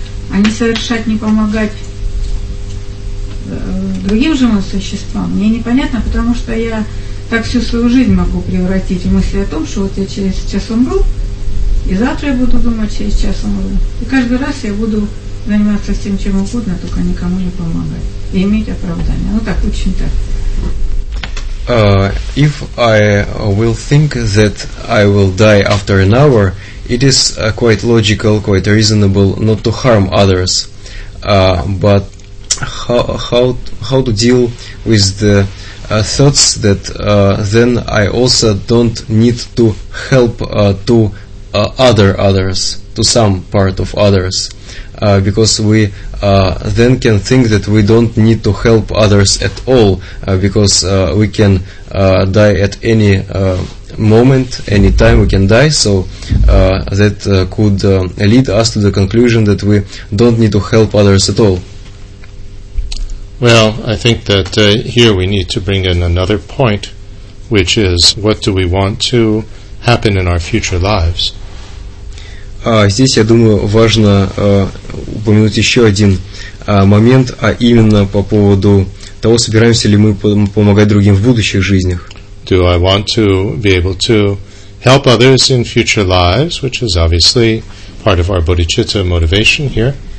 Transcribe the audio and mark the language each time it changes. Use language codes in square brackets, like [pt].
[ru] А не совершать, не помогать другим живым существам мне непонятно, потому что я так всю свою жизнь могу превратить в мысли о том, что вот я через час умру, и завтра я буду думать, через час умру. И каждый раз я буду заниматься всем, чем угодно, только никому не помогать. И иметь оправдание. Ну так, очень так. [en] If I will think that I will die after an hour, it is quite logical, quite reasonable not to harm others. But how to deal with the thoughts that then I also don't need to help to others, to some part of others, because we then can think that we don't need to help others at all, because we can die at any moment, any time we can die, so that could lead us to the conclusion that we don't need to help others at all. Well, I think that here we need to bring in another point, which is, what do we want to happen in our future lives? [ru] Здесь, я думаю, важно упомянуть еще один момент, а именно по поводу того, собираемся ли мы помогать другим в будущих жизнях. [en] Do I want to be able to help others in future lives, which is obviously part of our bodhicitta motivation here?